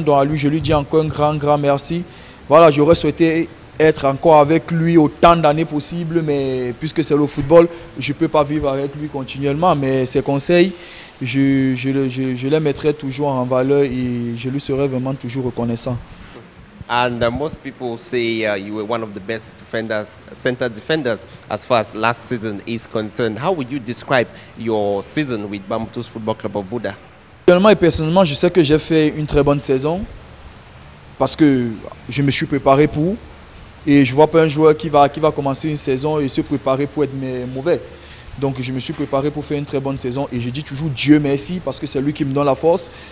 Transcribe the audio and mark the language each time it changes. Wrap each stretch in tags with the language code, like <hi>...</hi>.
<fr>Donc à lui, je lui dis encore un grand, grand merci. Voilà, j'aurais souhaité être encore avec lui autant d'années possible, mais puisque c'est le football, je ne peux pas vivre avec lui continuellement, mais ses conseils, je les mettrai toujours en valeur et je lui serai vraiment toujours reconnaissant.</fr> <en>And most people say you were one of the best defenders, center defenders, as far as last season is concerned. How would you describe your season with Bamoutos Football Club of Buda?</en> <fr>Personnellement et personnellement, je sais que j'ai fait une très bonne saison parce que je me suis préparé pour. Et je ne vois pas un joueur qui va commencer une saison et se préparer pour être mauvais. Donc je me suis préparé pour faire une très bonne saison et je dis toujours Dieu merci parce que c'est lui qui me donne la force.</fr>